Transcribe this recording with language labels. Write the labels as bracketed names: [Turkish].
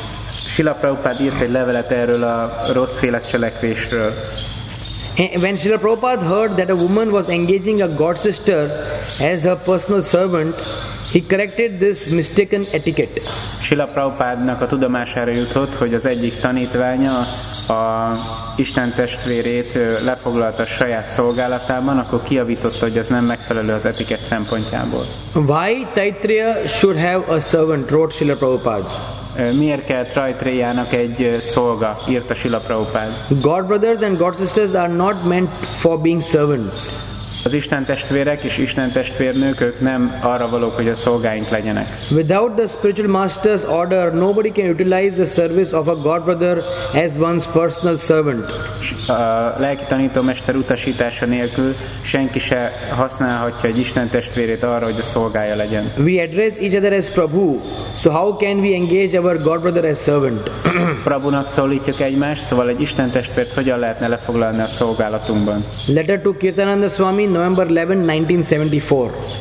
[Hungarian] Srila Prabhupada írt egy levelet erről a rosszféle cselekvésről. [English] When Srila Prabhupada heard that a woman was engaging a god sister as her personal servant, he corrected this mistaken etiquette. [Hungarian] Srila Prabhupádnak a tudomására jutott, hogy az egyik tanítványa a Isten testvérét lefoglalta saját szolgálatában, akkor kijavította, hogy ez nem megfelelő az etikett szempontjából. [English] Why Taitreya should have a servant, wrote Srila Prabhupada. [Hungarian] Miért kell Taitrejának egy szolga, írta Srila Prabhupada. [English] God brothers and God sisters are not meant for being servants. [Hungarian] Az Isten testvérek és Isten testvérnők, ők nem arra valók, hogy a szolgáink legyenek. [English] Without the spiritual master's order, nobody can utilize the service of a god brother as one's personal servant. [Hungarian] A lelki tanító mester utasítása nélkül senki se használhatja egy Isten testvérét arra, hogy a szolgája legyen. [English] We address each other as Prabhu, so how can we engage our god brother as servant? [Hungarian] Prabhunak szólítjuk egymást, szóval egy Isten testvért hogyan lehetne lefoglalni a szolgálatunkban? [English] Letter to Kirtananda Swami, November 11, 1974.